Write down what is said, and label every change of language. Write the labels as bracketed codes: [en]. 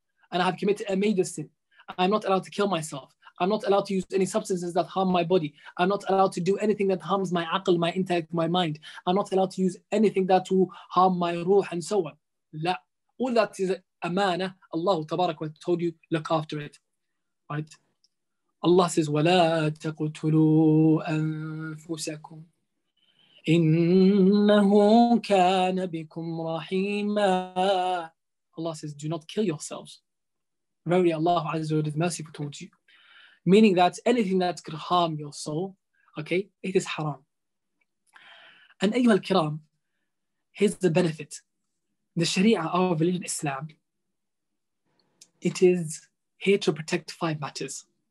[en] And I have committed a major sin. I'm not allowed to kill myself. I'm not allowed to use any substances that harm my body. I'm not allowed to do anything that harms my aql, my intellect, my mind. I'm not allowed to use anything that will harm my ruh and so on. La. All that is amana. Allah Tabarak wa Ta'ala told you, look after it. Right? Allah says, [ar] وَلَا تَقْتُلُوا أَنفُسَكُمْ إِنَّهُ كَانَ بِكُمْ رَحِيمًا. [en] Allah says, do not kill yourselves. Verily, Allah Azza wa Jalla is merciful towards you. Meaning that anything that could harm your soul, okay, it is haram. And [ar] أيها الكرام, [en] here's the benefit. The Sharia, our religion Islam, it is here to protect five matters.